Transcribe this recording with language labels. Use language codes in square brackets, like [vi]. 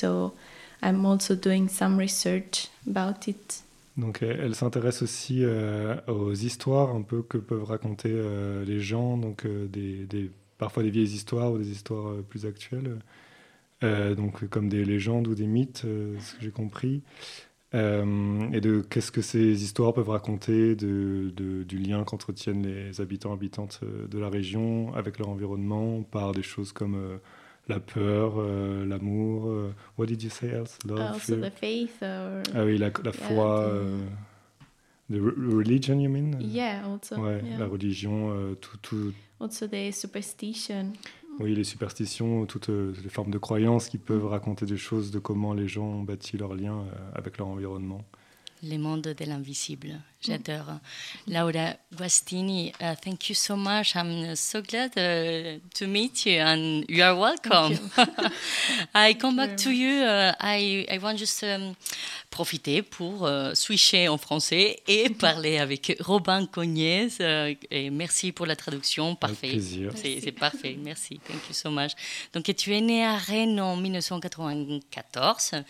[en] So I'm also doing some research about it. [fr] Donc elle s'intéresse aussi aux histoires un peu que peuvent raconter les gens, donc parfois des vieilles histoires ou des histoires plus actuelles, donc comme des légendes ou des mythes, ce que j'ai compris, et de qu'est-ce que ces histoires peuvent raconter du lien qu'entretiennent les habitants habitantes de la région avec leur environnement par des choses comme la peur, l'amour. [en] What did you say else? Love, also fear. The faith. Or... [fr] Ah oui, la foi. [en] The religion, you mean? Yeah, also. [fr] Ouais, [en] yeah. [fr] La religion, tout. [en] Also the superstition. [fr] Oui, les superstitions, toutes les formes de croyances qui peuvent raconter des choses de comment les gens ont bâti leur lien avec leur environnement. Le monde de l'invisible. J'adore. Laura Guastini, [en] thank you so much. I'm so glad to meet you, and you are welcome. You. I come back to you. I want just [fr] profiter pour switcher en français et parler avec Robin Cognez. Et merci pour la traduction. Parfait. Avec plaisir. C'est parfait. Merci. [en] Thank you so much. [fr] Donc, tu es né à Rennes en 1994.